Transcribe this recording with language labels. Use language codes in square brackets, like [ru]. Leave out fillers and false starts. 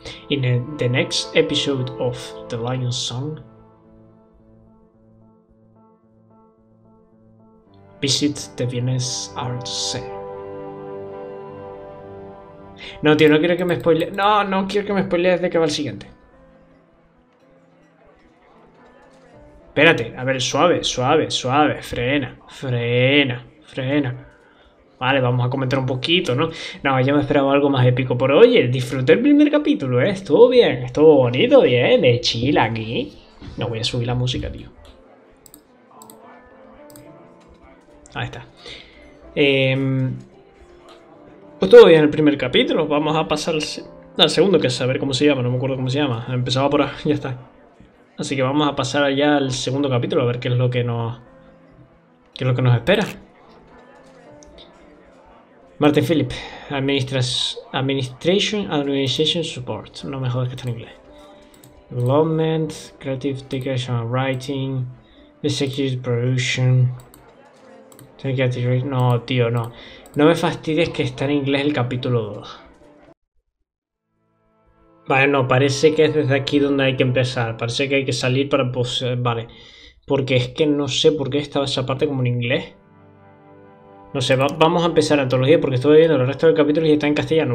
[en] In the next episode of The Lion's Song, visit the Viennese Art Center. [es] No, tío, no quiero que me spoile. No, no quiero que me spoile desde que va el siguiente. Espérate, a ver, suave, suave, suave, frena, frena, frena. Vale, vamos a comentar un poquito, ¿no? No, ya me esperaba algo más épico, pero oye, disfruté el primer capítulo, ¿eh? Estuvo bien, estuvo bonito, bien, de chill aquí. No voy a subir la música, tío. Ahí está. Pues estuvo bien el primer capítulo, vamos a pasar al segundo, que es a ver cómo se llama, no me acuerdo cómo se llama. Empezaba por ahí, ya está. Así que vamos a pasar allá al segundo capítulo a ver qué es lo que nos espera. Martin Phillip, [en] Administration and Organization Support. [es] No me jodas que está en inglés. [en] Development, Creative Decoration and Writing, Executive Production. [es] No, tío, no. No me fastidies que está en inglés el capítulo 2. Vale, no, parece que es desde aquí donde hay que empezar. Parece que hay que salir para... Pues, vale. Porque es que no sé por qué estaba esa parte como en inglés. No sé, vamos a empezar la antología porque estuve viendo el resto del capítulo y está en castellano.